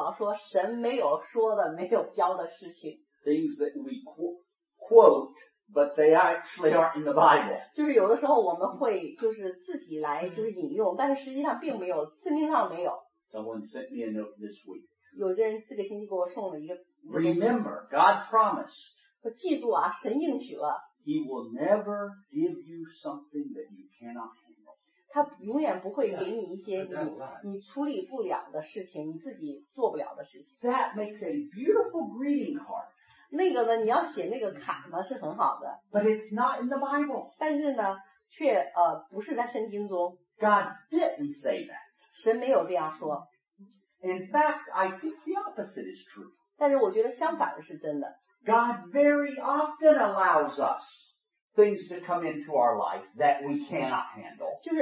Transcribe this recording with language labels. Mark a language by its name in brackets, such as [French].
[Chinese] 我很想做一个系列，就是来教导说神没有说的、没有教的事情。 [English] Things that we quote, but they actually aren't in the Bible. [Chinese] 就是有的时候我们会就是自己来就是引用，但是实际上并没有，圣经上没有。 [English] Someone sent me a note this week. [Chinese] 有的人这个星期给我送了一个。 [English] Remember, God promised. [Chinese] 记住啊，神应许了。 [English] He will never give you something that you cannot handle. [Chinese] 他永远不会给你一些你处理不了的事情，你自己做不了的事情。 [English] That makes a beautiful greeting card. [Chinese] 那个呢，你要写那个卡呢，是很好的。 [English] But it's not in the Bible. [Chinese] 但是呢，却不是在圣经中。 [English] God didn't say that. [Chinese] 神没有这样说。 [English] In fact, I think the opposite is true. [Chinese] 但是我觉得相反的是真的。 [English] God very often allows us things to come into our life that we cannot handle.